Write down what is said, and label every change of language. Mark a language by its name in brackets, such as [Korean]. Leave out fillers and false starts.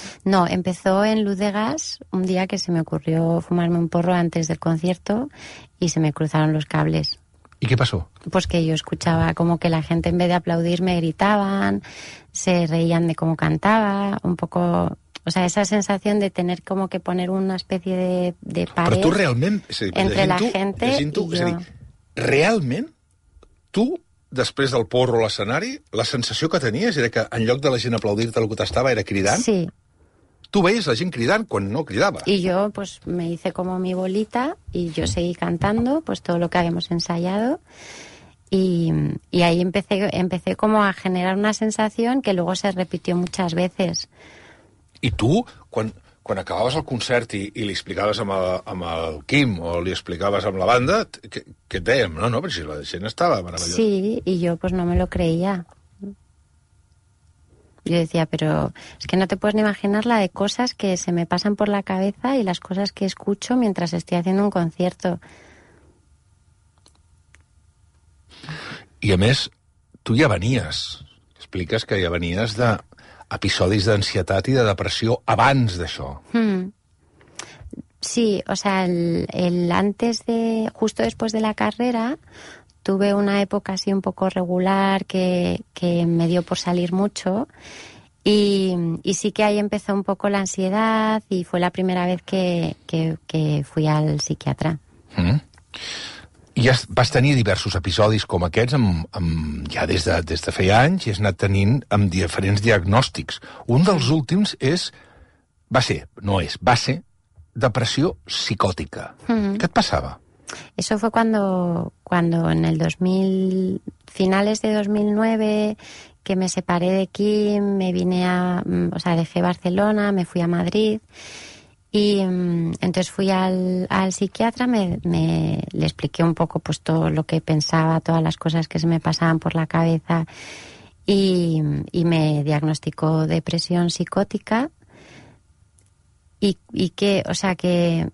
[Spanish] No, empezó en Luz de Gas, un día que se me ocurrió fumarme un porro antes del concierto y se me cruzaron los cables. ¿Y qué pasó? Pues que yo escuchaba como que la gente, en vez de aplaudirme, gritaban, se reían de cómo cantaba, un poco... O sea, esa sensación de tener como que poner una especie de pared... [Catalan] Però tu realment... [Spanish] Entre la [Catalan] tu, [Spanish] gente [Catalan] tu, i jo. És a dir, realment, tu, després del porro a l'escenari, la sensació que tenies era que en lloc de la gent aplaudir-te el que t'estava era cridant? Sí. Tu veies la gent cridant quan no cridava. [Spanish] Y yo, pues, me hice como mi bolita y yo seguí cantando, pues, todo lo que habíamos ensayado. Y ahí empecé como a generar una sensación que luego se repitió muchas veces. [Catalan] I tu, quan acabaves el concert i li explicaves amb el Quim o li explicaves amb la banda, què et dèiem? No, però si la gent estava meravellosa. [Spanish] Sí, y yo, pues, no me lo creía. Yo decía, pero es que no te puedes ni imaginar la de cosas que se me pasan por la cabeza y las cosas que escucho mientras estoy haciendo un concierto. [Catalan] I a més, tu ja venies, expliques que ja venies d'episodis d'ansietat i de depressió abans d'això. [Spanish] Sí, o sea, el antes de, justo después de la carrera... Tuve una época así un poco regular que me dio por salir mucho y sí que ahí empezó un poco la ansiedad y fue la primera vez que fui al psiquiatra. Mm. [Catalan] I vas tenir diversos episodis com aquests ja des de feia anys i has anat tenint amb diferents diagnòstics. Un dels últims va ser depressió psicòtica. Què et passava? [Spanish] Eso fue cuando en el 2000, finales de 2009, que me separé de Kim, me vine a, o sea, dejé Barcelona, me fui a Madrid y entonces fui al psiquiatra, me le expliqué un poco pues todo lo que pensaba, todas las cosas que se me pasaban por la cabeza y me diagnosticó depresión psicótica y que, o sea, que...